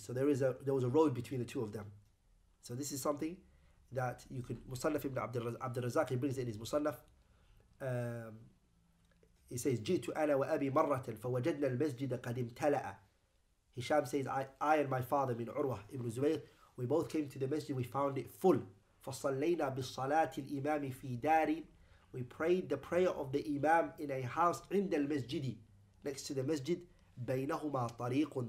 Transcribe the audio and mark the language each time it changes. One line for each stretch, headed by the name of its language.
English: So there was a road between the two of them. So this is something that you could, Musannaf ibn Abdul Razak, he brings it in his Musannaf. He says,
Arabic: جِئْتُ أَنَا وَأَبِي مَرَّةً فَوَجَدْنَا الْمَسْجِدَ قَدِمْ تَلَأَ.
English: Hisham says, I and my father, min Urwah ibn Zubayr, we both came to the masjid, we found it full.
Arabic: فَصَلَّيْنَا بِالصَّلَاةِ الْإِمَامِ فِي دَارٍ.
English: We prayed the prayer of the imam in a house,
Arabic: عند المسجد,
English: next to the masjid.
Arabic: بَيْنَهُمَا طَرِيقٌ.